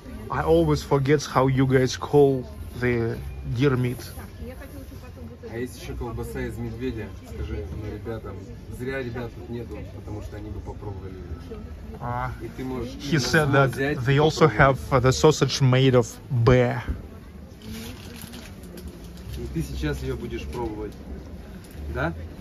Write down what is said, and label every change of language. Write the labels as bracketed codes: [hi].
[en] I always forget how you guys call the deer meat. [ru] А есть еще колбаса из медведя, скажи ребятам. Зря ребят тут нету, потому что они бы попробовали. И ты можешь. [en] He said that they also have the sausage made of bear. [ru] И ты сейчас ее будешь пробовать, да?